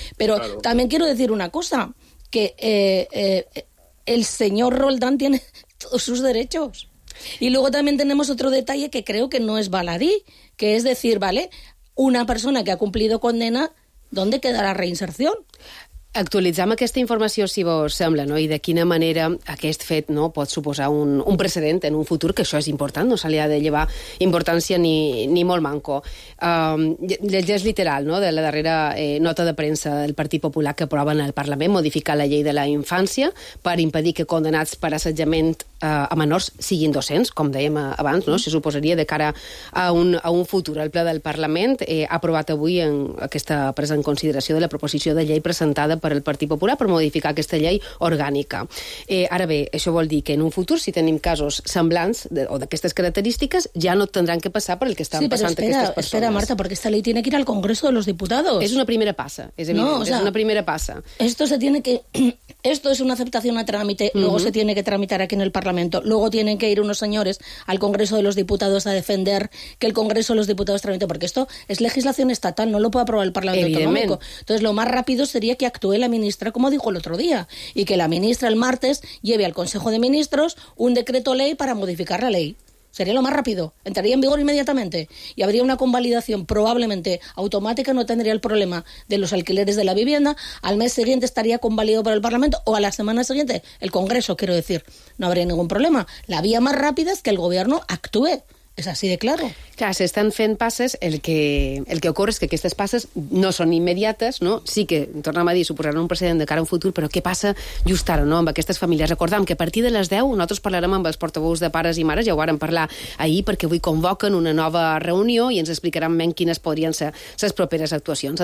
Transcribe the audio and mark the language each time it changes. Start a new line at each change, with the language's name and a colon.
Spanish: Pero claro, también quiero decir una cosa, que el señor Roldán tiene todos sus derechos. Y luego también tenemos otro detalle que creo que no es baladí, que es decir, vale, una persona que ha cumplido condena, ¿dónde queda la reinserción?
Catalan: Actualitzem aquesta informació, si vos sembla, no? I de quina manera aquest fet, no, pot suposar un precedent en un futur, que això és important, no se li ha de llevar importància ni molt manco. Llegeix literal, no?, de la darrera nota de premsa del Partit Popular que aprova en el Parlament modificar la llei de la infància per impedir que condenats per assetjament a menors siguin docents, com dèiem abans, no? Se suposaria de cara a un futur. El ple del Parlament ha aprovat avui en aquesta presa en consideració de la proposició de llei presentada per el Partit Popular per modificar aquesta llei orgànica. Ara bé, això vol dir que en un futur, si tenim casos semblants o d'aquestes característiques, ja no tindran que passar per el que estan passant aquestes persones. Sí, però espera, Marta, perquè aquesta llei
Spanish: tiene que ir al Congreso de los Diputados.
Catalan: És una primera passa, és evident, una primera passa.
Spanish: Esto se tiene que... Esto es una aceptación a trámite, luego se tiene que tramitar aquí en el Parlamento, luego tienen que ir unos señores al Congreso de los Diputados a defender que el Congreso de los Diputados tramite, porque esto es legislación estatal, no lo puede aprobar el Parlamento Autonómico. Entonces, lo más rápido sería que actúe la ministra, como dijo el otro día, y que la ministra el martes lleve al Consejo de Ministros un decreto ley para modificar la ley. Sería lo más rápido. Entraría en vigor inmediatamente y habría una convalidación probablemente automática. No tendría el problema de los alquileres de la vivienda. Al mes siguiente estaría convalidado por el Parlamento o a la semana siguiente, el Congreso, quiero decir. No habría ningún problema. La vía más rápida es que el Gobierno actúe.
Catalan: És així de clar. Clar, s'estan fent passes, el que ocorre és que aquestes passes no són immediates, no? Sí que, tornem a dir, suposaran un precedent de cara a un futur, però què passa just ara, no?, amb aquestes famílies? Recordem que a partir de les 10 nosaltres parlarem amb els portaveus de pares i mares, ja ho vàrem parlar ahir, perquè avui convoquen una nova reunió i ens explicaran ben quines podrien ser les properes actuacions.